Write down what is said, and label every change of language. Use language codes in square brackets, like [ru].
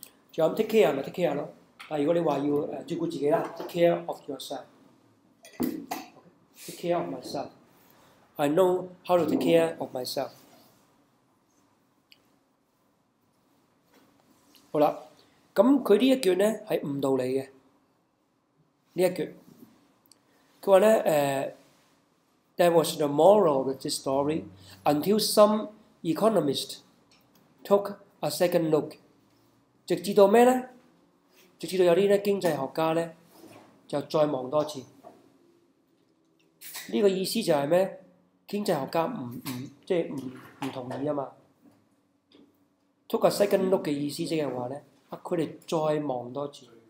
[yue] 就咁 [en] take care [yue] 咪 [en] take care [yue] 咯。但係如果你話要照顧自己啦 ， [en] take care of yourself, take care of myself。 I know how to take care of myself。 [yue] 好啦，咁佢呢一句咧係誤導你嘅。呢一句，佢話咧， [en] There was the moral of this story until some economist took a second look。 [yue] 直至到咩咧？直至到有啲咧經濟學家咧就再望多次。呢個意思就係咩？經濟學家唔同意啊嘛。 [en] Took a second look [yue] 嘅意思即係話咧，佢哋再望多次。